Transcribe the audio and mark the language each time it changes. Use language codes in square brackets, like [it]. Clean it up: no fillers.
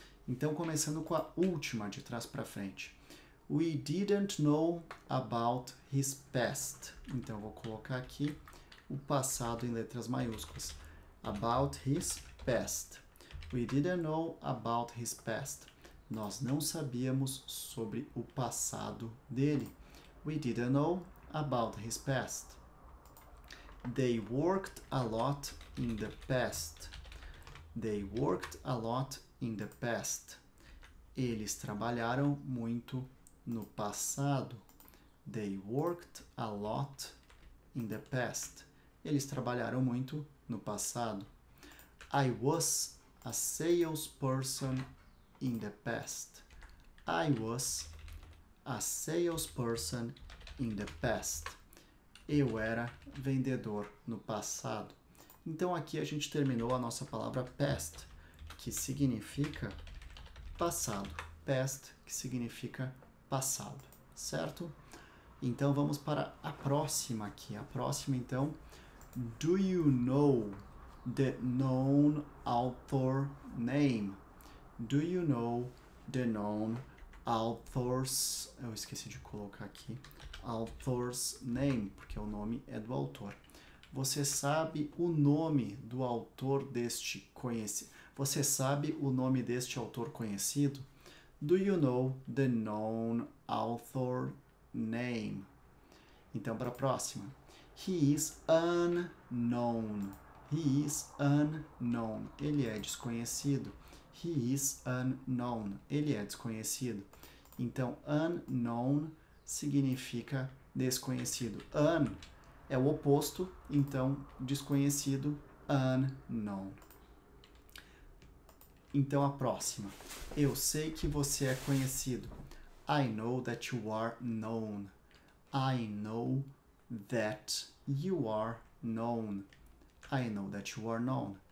[pt] Então, começando com a última, de trás para frente. [en] We didn't know about his past. [pt] Então, vou colocar aqui o passado em letras maiúsculas. [en] About his past. We didn't know about his past. [pt] Nós não sabíamos sobre o passado dele. [en] We didn't know about his past. They worked a lot in the past. They worked a lot in the past. [pt] Eles trabalharam muito no passado. [en] They worked a lot in the past. [pt] Eles trabalharam muito no passado. [en] I was a salesperson in the past. I was a salesperson in the past. [pt] Eu era vendedor no passado. Então aqui a gente terminou a nossa palavra past, que significa passado. Past, que significa passado, certo? Então vamos para a próxima aqui. A próxima então, [en] do you know the known author name? Do you know the known author's? [pt] Eu esqueci de colocar aqui [en] author's name, [pt] porque o nome é do autor. Você sabe o nome do autor deste conhecido? Você sabe o nome deste autor conhecido? [en] Do you know the known author name? [pt] Então, para a próxima. [en] He is unknown. He is unknown. [pt] Ele é desconhecido. [en] He is unknown. [pt] Ele é desconhecido. Então, unknown significa desconhecido. Un é o oposto, então desconhecido, unknown. Então a próxima. Eu sei que você é conhecido. [en] I know that you are known. I know that you are known. I know that you are known.